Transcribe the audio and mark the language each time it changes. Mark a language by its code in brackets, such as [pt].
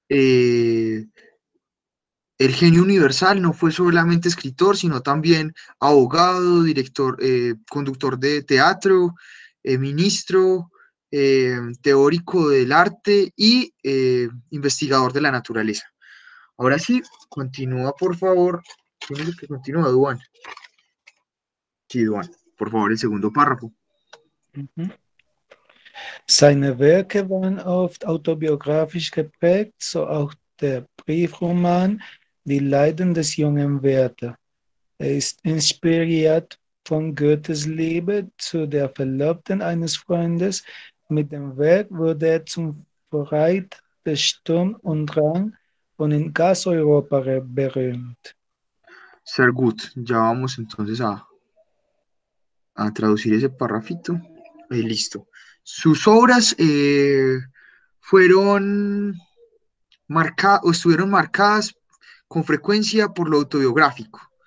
[es] El genio universal no fue solamente escritor, sino también abogado, director, conductor de teatro, ministro, teórico del arte y investigador de la naturaleza. Ahora sí, continúa, por favor. ¿Quién es el que continúa, Duan? Sí, Duan, por favor, el segundo párrafo. [de] Seine Werke waren oft autobiografisch geprägt, so auch der Briefroman Die Leiden des jungen Werther. Er ist inspiriert von Goethes Liebe zu der Verlobten eines Freundes. Mit dem Werk wurde er zum Vorreiter des Sturm und Drang und in ganz Europa berühmt. Sehr gut, [es] ya vamos entonces a traducir ese parrafito. Listo. Sus obras estuvieron marcadas con frecuencia por lo autobiográfico.